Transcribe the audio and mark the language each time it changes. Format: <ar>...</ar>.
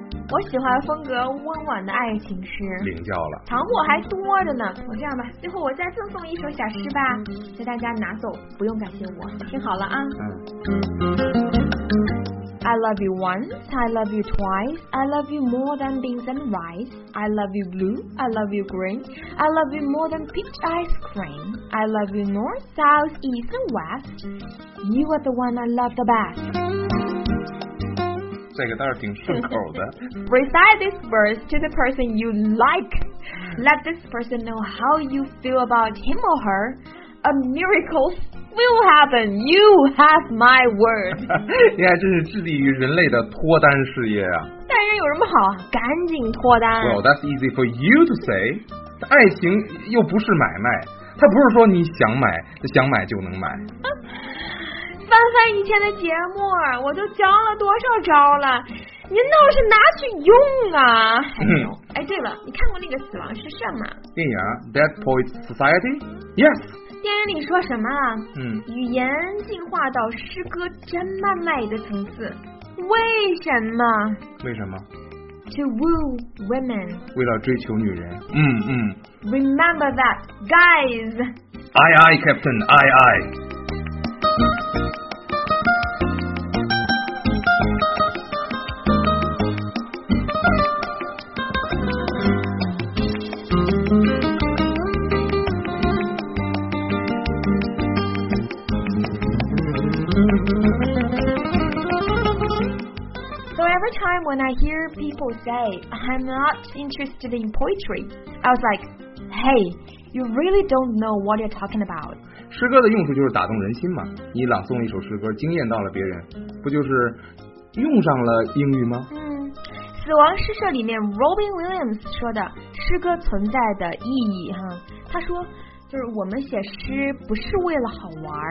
<zh>我喜欢风格温婉的爱情诗，领教了，藏货还多着呢。我这样吧，最后我再赠送一首小诗吧，给大家拿走，不用感谢我，听好了啊。嗯。</zh> <en>I love you once, I love you twice, I love you more than beans and rice. I love you blue, I love you green, I love you more than peach ice cream. I love you north, south, east and west. You are the one I love the best.</en> <zh>这个倒是挺顺口的。</zh> <en>Recite this verse to the person you like. Let this person know how you feel about him or her. A miracle will happen. You have my word.</en> <zh>你还真是致力于人类的脱单事业啊！单身有什么好？赶紧脱单。</zh> <en>Well, that's easy for you to say.</en> <zh>爱情又不是买卖，它不是说你想买，想买就能买。翻翻以前的节目，我都教了多少招了，您倒是拿去用啊。还有，哎对了，你看过那个死亡诗社吗？</zh> <en>电影 Dead Poets Society? Yes.</en> <zh>电影里说什么？嗯，语言进化到诗歌真慢慢的层次，为什么？为什么？</zh> <en>To woo women.</en> <zh>为了追求女人。</zh> <en>Remember that, guys. Aye aye, Captain, aye aye. Every time when I hear people say I'm not interested in poetry, I was like, hey, you really don't know what you're talking about.</en> <zh>诗歌的用处就是打动人心嘛，你朗诵一首诗歌惊艳到了别人，不就是用上了英语吗？嗯，死亡诗社里面 Robin Williams 说的诗歌存在的意义哈，他说就是我们写诗不是为了好玩，</zh>